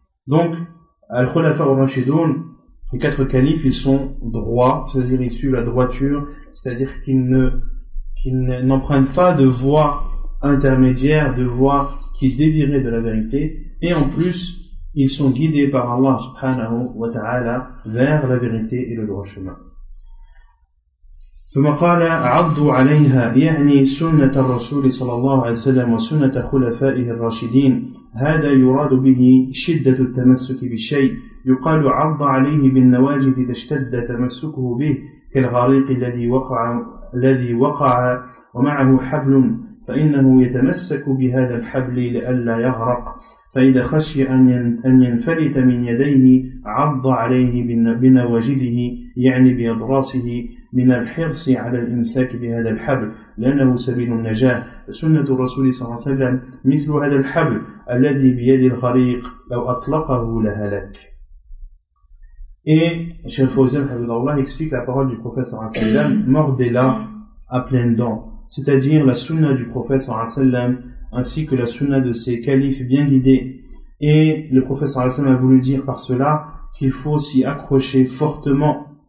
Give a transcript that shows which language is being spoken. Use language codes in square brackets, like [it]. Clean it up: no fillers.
[fr] Donc, Al-Khulafa Ur-Rashidun, les quatre califes, ils sont droits, c'est-à-dire ils suivent la droiture, c'est-à-dire qu'ils n'empruntent pas de voie intermédiaire, de voie qui dévierait de la vérité, et en plus, ils sont guidés par Allah subhanahu wa ta'ala vers la vérité et le droit chemin. [ar] ثم قال عضوا عليها يعني سنة الرسول صلى الله عليه وسلم وسنة خلفائه الراشدين هذا يراد به شدة التمسك بالشيء يقال عض عليه بالنواجذ إذا اشتد تمسكه به كالغريق الذي وقع ومعه حبل فإنه يتمسك بهذا الحبل لئلا يغرق فإذا خشي أن ينفلت من يديه عض عليه بنواجذه يعني بأضراسه من الحرص على الإمساك بهذا الحبل لأنه سبيل النجاة سنة الرسول صلى الله عليه وسلم مثل هذا الحبل الذي بيد الغريق لو أطلقه لهلك. [fr] Et Cheikh Fawzan Hafidhahullah explique la parole du prophète صلى الله عليه وسلم mordez-la à pleines dents, c'est-à-dire la sunna du prophète صلى الله عليه وسلم ainsi que la sunna de ses califes bien guidés. Et le prophète صلى الله عليه وسلم a voulu dire par cela qu'il faut s'y accrocher fortement.